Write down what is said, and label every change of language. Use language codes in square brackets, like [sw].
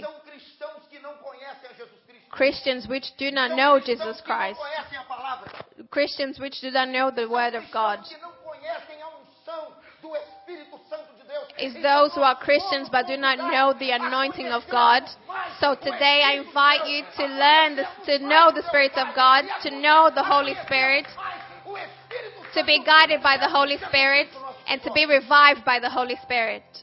[pt] São cristãos que não conhecem a Jesus Cristo. [en] Christians which do not know Jesus Christ. [pt] São cristãos que não conhecem a palavra. [en] Christians which do not know the word of God. [pt] São cristãos que não conhecem a unção do Espírito Santo de Deus. [en] It's those who are Christians but do not know the anointing of God. So today I invite you to learn, to know the Spirit of God, to know the Holy Spirit, to be guided by the Holy Spirit, and to be revived by the Holy Spirit.